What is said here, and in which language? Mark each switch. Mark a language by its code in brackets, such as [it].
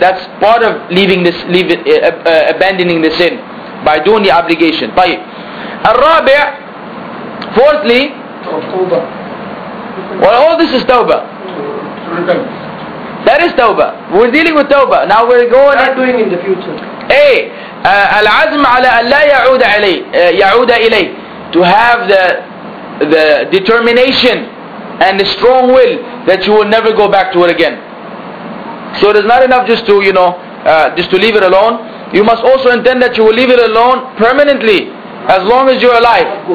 [en] That's part of abandoning the sin. By doing the obligation. [ar] طيب. الرابع, [en] fourthly, [ar] توبة. [en] Well, all this is tawbah. Repentance. That is tawbah. We're dealing with tawbah. Now we're going. Not doing in the future. [ar] العزم على أن لا يعود علي, يعود إلي. [en] To have the determination and the strong will that you will never go back to it again. So it is not enough just to, you know, just to leave it alone. You must also intend that you will leave it alone permanently, as long as you're alive.